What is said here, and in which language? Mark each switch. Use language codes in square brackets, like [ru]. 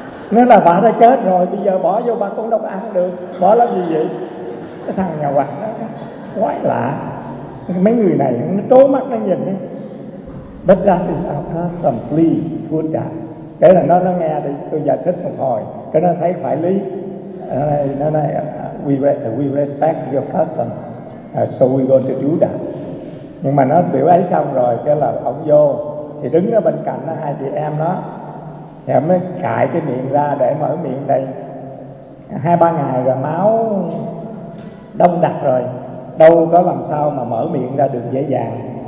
[vi] Nên là bà đã chết rồi, bây giờ bỏ vô bà cũng đâu ăn được. Bỏ làm gì vậy? Cái thằng nhà hoàng đó quái lạ. Mấy người này nó trố mắt nó nhìn ấy. [en] But that is our custom, please put that. [vi] Cái là nó nghe thì tôi giải thích một hồi, cái nó thấy phải lý. Nó nói, [en] we respect your custom, so we going to do that. [vi] Nhưng mà nó biểu ấy xong rồi, cái là ông vô, thì đứng ở bên cạnh đó, hai chị em đó, thì em mới cạy cái miệng ra để mở miệng đây. Hai ba ngày rồi máu đông đặc rồi, đâu có làm sao mà mở miệng ra được dễ dàng.